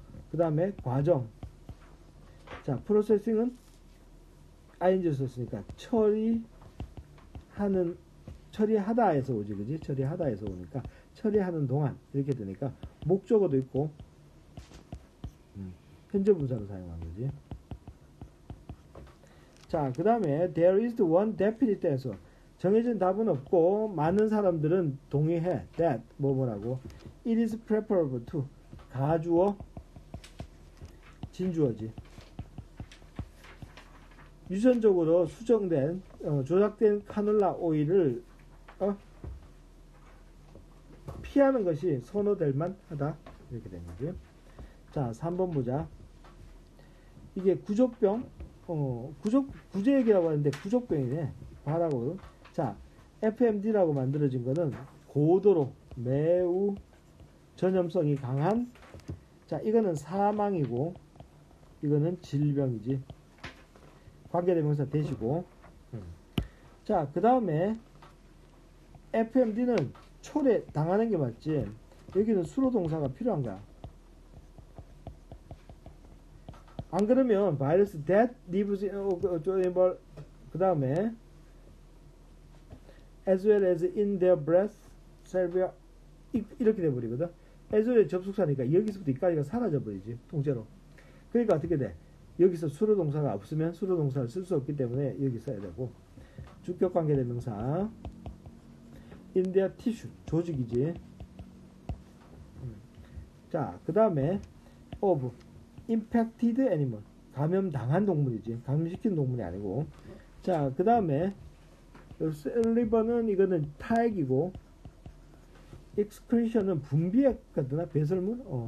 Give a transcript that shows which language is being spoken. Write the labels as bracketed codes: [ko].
[ko] 그다음에 과정. 자, processing은 ing 썼으니까 처리하는, 처리하다에서 오지, 그지? 처리하다에서 오니까 처리하는 동안 이렇게 되니까 목적어도 있고 현재 분사로 사용한 거지. [en] 자, [ko] 그 다음에 [en] there is one definite answer. [ko] 정해진 답은 없고 많은 사람들은 동의해 that 뭐뭐라고. [en] It is preferable to [ko] 가주어 진주어지. 유전적으로 수정된 조작된 카놀라 오일을 피하는 것이 선호될 만하다 이렇게 되는 거죠. 자, 3번 보자. 이게 구족병, 구제 얘기라고 하는데 구족병이네. 바라고. 자, FMD라고 만들어진 거는 고도로 매우 전염성이 강한. 자, 이거는 사망이고 이거는 질병이지. 관계대명사 되시고. 자, 그 다음에 FMD는 초래 당하는 게 맞지. 여기는 수로동사가 필요한 거야. 안 그러면 [en] virus that lives in animal, [ko] 그 다음에 [en] as well as in their breath salvia [ko] 이렇게 돼버리거든. as well as 접속사니까 여기서부터 이까지가 사라져버리지 통째로. 그러니까 어떻게 돼? 여기서 수로동사가 없으면 수로동사를 쓸 수 없기 때문에 여기 써야 되고. 주격관계대명사 [en] in their tissue [ko] 조직이지. 자, 그 다음에 [en] of impacted animal [ko] 감염당한 동물이지. 감염시킨 동물이 아니고. 자, 그 다음에 saliva는 이거는 타액이고 excretion은 분비액 같으나 배설물?